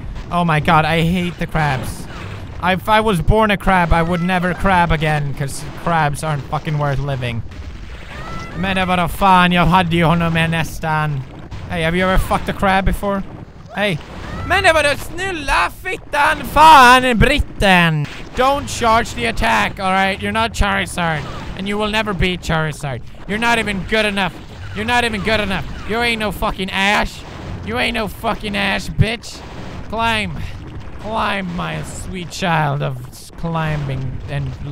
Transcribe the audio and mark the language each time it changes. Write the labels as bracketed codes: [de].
[en] Oh my god, I hate the crabs. If I was born a crab, I would never crab again, because crabs aren't fucking worth living. [sv] Men vad fan, jag hade ju honom med nästan. [en] Hey, have you ever fucked a crab before? Hey. [sv] Men vad snälla fittan fan, britten! [en] Don't charge the attack, alright? You're not Charizard. And you will never be Charizard. You're not even good enough. You're not even good enough. You ain't no fucking Ash. You ain't no fucking Ash, bitch. Climb. Climb, my sweet child of climbing and